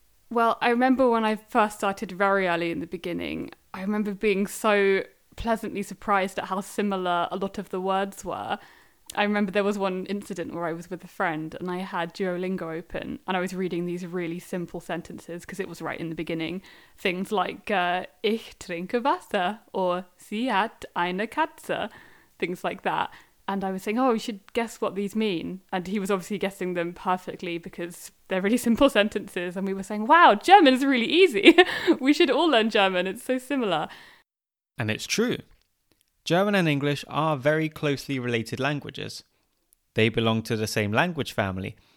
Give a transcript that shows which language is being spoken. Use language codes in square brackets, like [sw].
[en] Well, I remember when I first started very early in the beginning, I remember being so pleasantly surprised at how similar a lot of the words were. I remember there was one incident where I was with a friend and I had Duolingo open and I was reading these really simple sentences because it was right in the beginning. Things like, [de] ich trinke Wasser [en] or [de] sie hat eine Katze, [en] things like that. And I was saying, oh, you should guess what these mean. And he was obviously guessing them perfectly because they're really simple sentences. And we were saying, wow, German is really easy. We should all learn German. It's so similar. And it's true. German and English are very closely related languages. They belong to the same language family.